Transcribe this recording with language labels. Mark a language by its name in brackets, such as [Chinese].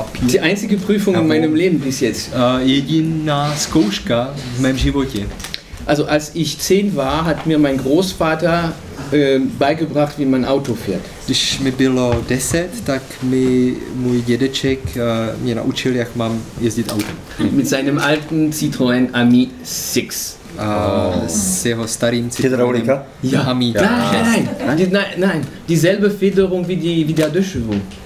[German] Die einzige Prüfung in meinem Leben bis jetzt. [Czech] Jediná zkouška v mém životě. [German] Also als ich 10 war, hat mir mein Großvater beigebracht, wie man Auto fährt. [Czech] Když mi bylo 10, tak mi můj dědeček mě naučil, jak mám jezdit autem. [German] Mit seinem alten Citroën Ami 6. [Czech] S jeho starým Citroën. Hydraulika? [German] Ja. Ami. Ja. Nein, dieselbe Federung wie der Durchschwung.